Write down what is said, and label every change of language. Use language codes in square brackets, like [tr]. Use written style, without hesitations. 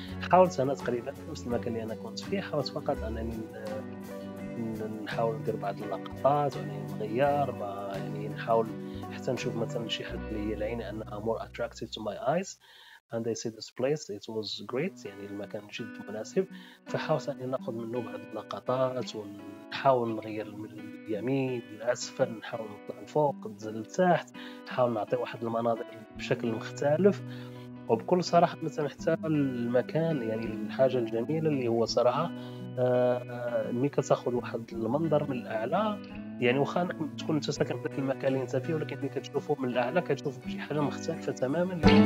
[ar] حاولت انا تقريبا نفس المكان اللي انا كنت فيه، حاولت فقط انني نحاول ندير بعض اللقطات وانني نغير، ما يعني نحاول حتى نشوف مثلا شي حد اللي يلعيني انها [en] more attractive to my eyes. And they said this place, it was great. [ar] يعني المكان جد مناسب، فحاولت انني ناخذ منه بعض اللقطات ونحاول نغير من اليمين للاسفل، نحاول نطلع فوق نزل لتحت، نحاول نعطي واحد المناظر بشكل مختلف. وبكل صراحة مثلا حتى المكان، يعني الحاجة الجميلة اللي هو صراحة مي كتاخد واحد المنظر من الأعلى، يعني واخا تكون انت ساكن في المكان اللي انت فيه، ولكن مي كتشوفه من الأعلى كتشوف شي حاجة مختلفة تماما.